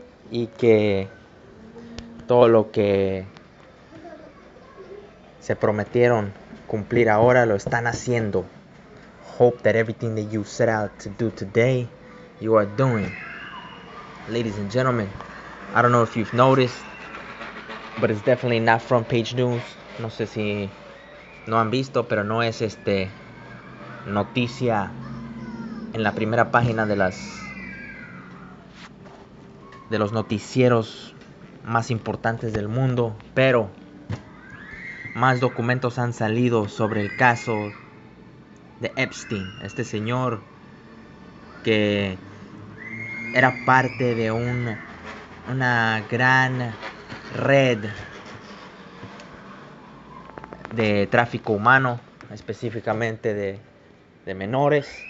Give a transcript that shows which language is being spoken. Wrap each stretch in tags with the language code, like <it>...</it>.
<es>Y que todo lo que se prometieron cumplir ahora lo están haciendo.</es> <en>Hope that everything that you set out to do today, you are doing. Ladies and gentlemen, I don't know if you've noticed, but it's definitely not front page news.</en> <es>No sé si no han visto, pero no es noticia en la primera página de las de los noticieros más importantes del mundo. Pero más documentos han salido sobre el caso de Epstein, este señor que era parte de una gran red de tráfico humano, específicamente de menores.</es>